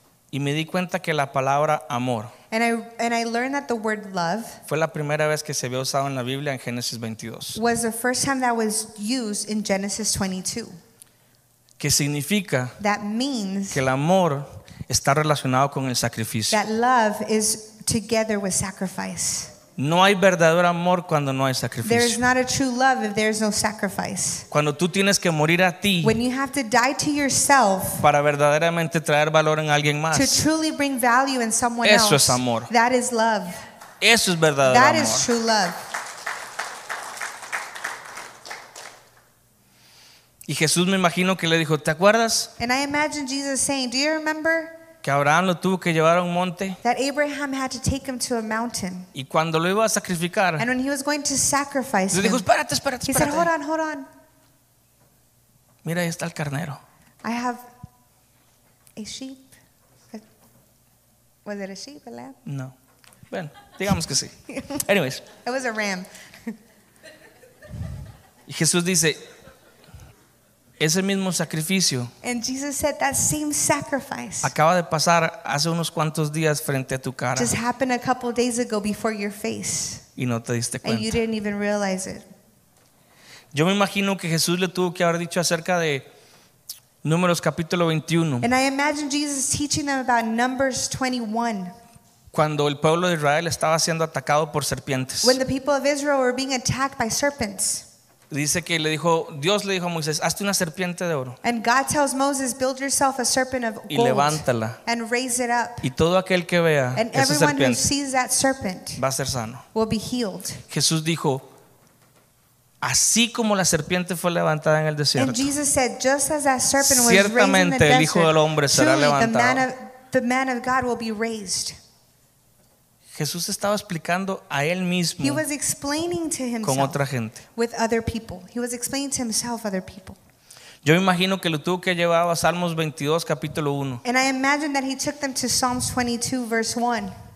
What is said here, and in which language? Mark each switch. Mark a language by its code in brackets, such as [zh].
[es] Y me di cuenta que la palabra amor. [en] And I learned that the word love. [es] Fue la primera vez que se había usado en la Biblia en Génesis 22. [en] Was the first time that was used in Genesis 22. [es] Que significa. [en] That means. [es] Que el amor está relacionado con el sacrificio. [en] That love is together with sacrifice. [es] No hay verdadero amor cuando no hay sacrificio. [en] There is not a true love if there is no sacrifice. [es] Cuando tú tienes que morir a ti. [en] When you have to die to yourself. [es] Para verdaderamente traer valor en alguien más. [en] To truly bring value in someone else. [es] Eso es amor. [en] That is love. [es] Eso es verdadero amor. [en] That is true love. [es] Y Jesús me imagino que le dijo, ¿te acuerdas? [en] And I imagine Jesus saying, do you remember? [es] Que Abraham lo tuvo que llevar a un monte. [en] That Abraham had to take him to a mountain. [es] Y cuando lo iba a sacrificar. [en] And when he was going to sacrifice [es] le dijo, espérate. [en] He said, hold on. [es] Mira, ahí está el carnero. [en] I have a sheep. Was it a sheep, a lamb? [es] No. Bueno, digamos que sí. [en] Anyways. It was a ram. [es] Y Jesús dice, Ese mismo sacrificio. [en] And Jesus said that same sacrifice. [es] Acaba de pasar hace unos cuantos días frente a tu cara. [en] Just happened a couple days ago before your face. [es] Y no te diste cuenta. [en] And you didn't even realize it. [es] Yo me imagino que Jesús le tuvo que haber dicho acerca de Números capítulo 21. [en] And I imagine Jesus teaching them about Numbers 21. [es] Cuando el pueblo de Israel estaba siendo atacado por serpientes. [en] When the people of Israel were being attacked by serpents. [es] Dice que le dijo, Dios le dijo a Moisés, hazte una serpiente de oro. [en] And God tells Moses, build yourself a serpent of gold. [es] Y levántala. [en] And raise it up. [es] Y todo aquel que vea [en] and [es] esa [en] everyone [es] serpiente [en] who sees that serpent [es] va a ser sano. [en] Will be healed. [es] Jesús dijo, así como la serpiente fue levantada en el desierto. [en] And Jesus said, just as that serpent was raised in the desert. [es] Ciertamente el Hijo del Hombre será [en] truly [es] levantado. [en] The man of God will be raised. [es] Jesús estaba explicando a él mismo. [en] He was explaining to himself. [es] Con otra gente. [en] With other people. He was explaining to himself other people. [es] Yo me imagino que lo tuvo que llevar a Salmos 22 capítulo 1. [en] And I imagine that he took them to Psalms 22 verse 1.